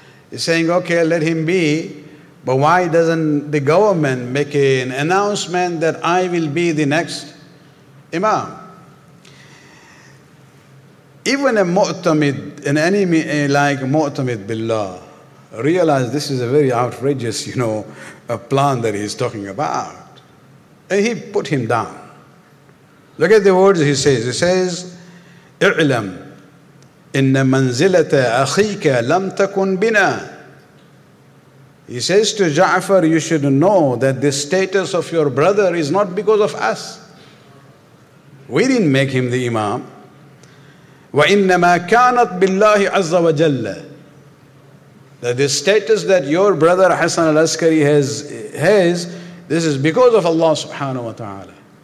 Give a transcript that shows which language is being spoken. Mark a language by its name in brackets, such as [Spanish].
[English] He's saying, okay, let him be, but why doesn't the government make an announcement that I will be the next imam? Even a mu'tamid, an enemy like Mu'tamid Billah, realize this is a very outrageous, you know, a plan that he's talking about. And he put him down. Look at the words he says. He says, [Arabic] اعلم إن منزلة أخيك لم تكن بنا. [English] He says to Ja'far, you should know that the status of your brother is not because of us. We didn't make him the imam. [Arabic] وإنما كانت بالله عز وجل. [English] That the status that your brother Hasan al-Askari has, this is because of Allah subhanahu wa ta'ala.